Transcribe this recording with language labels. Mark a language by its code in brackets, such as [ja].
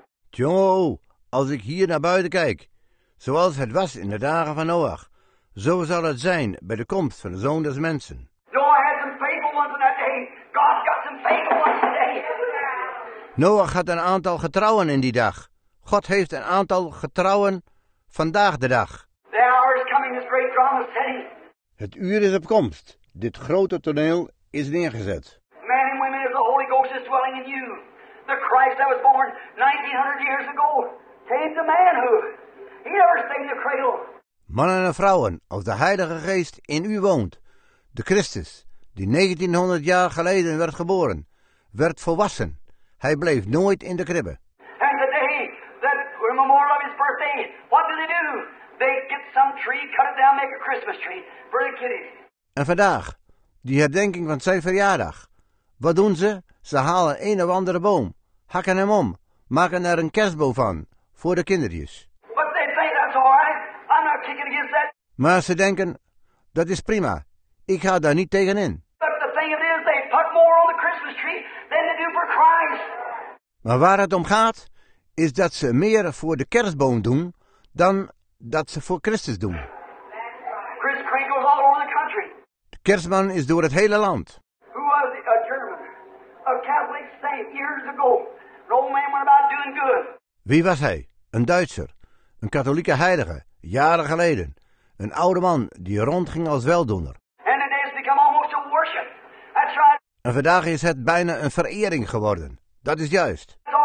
[nl] Tjonge, als ik hier naar buiten kijk, zoals het was in de dagen van Noach, Zo zal het zijn bij de komst van de Zoon des Mensen. [en] Noah had some faithful ones in that day. God got some faithful ones today. [nl] Noah had een aantal getrouwen in die dag. God heeft een aantal getrouwen vandaag de dag. [en] The hour is coming, this great drama setting. [nl] Het uur is op komst. Dit grote toneel is neergezet. [en] Men and women, as the Holy Ghost is dwelling in you. The Christ that was born 1900 years ago. Take the manhood. He never stayed in the cradle. [nl] Mannen en vrouwen, als de Heilige Geest in u woont, de Christus, die 1900 jaar geleden werd geboren, werd volwassen. Hij bleef nooit in de kribbe. [en] And the day that we memorial of his birthday, what do? They get some tree, cut it down, make a Christmas tree for the kiddies. [nl] En vandaag, die herdenking van zijn verjaardag, wat doen ze? Ze halen een of andere boom, hakken hem om, maken er een kerstboom van voor de kindertjes. [en] But they say that's all right. I'm not kicking against that. [nl] Maar ze denken, dat is prima. Ik ga daar niet tegenin. [en] But the thing is, they put more on the Christmas tree than they do for Christ. [nl] Maar waar het om gaat, is dat ze meer voor de kerstboom doen dan dat ze voor Christus doen. [en] Chris Craig was all over the country. [nl] De kerstman is door het hele land. [en] Who was a German, a Catholic saint years ago? An old man went about doing good. [nl] Wie was hij? Een Duitser, een katholieke heilige. Jaren geleden, een oude man die rondging als weldoener. [en] And it has become almost a worship. That's right. [nl] En vandaag is het bijna een verering geworden. Dat is juist.